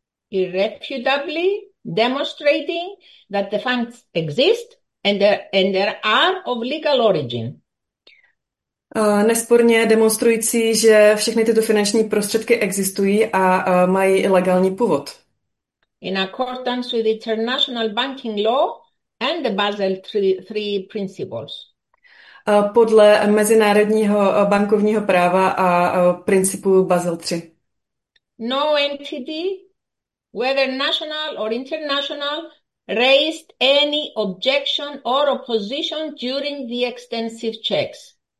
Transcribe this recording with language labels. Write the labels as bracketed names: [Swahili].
[English] Irrefutably demonstrating that the funds exist and are of legal origin. [Czech] Nesporně demonstrující, že všechny tyto finanční prostředky existují a mají legální původ. [English] In accordance with international banking law and the Basel III principles. [Czech] Podle mezinárodního bankovního práva a principu Basel III. [English] No entity, whether national or international, raised any objection or opposition during the extensive checks.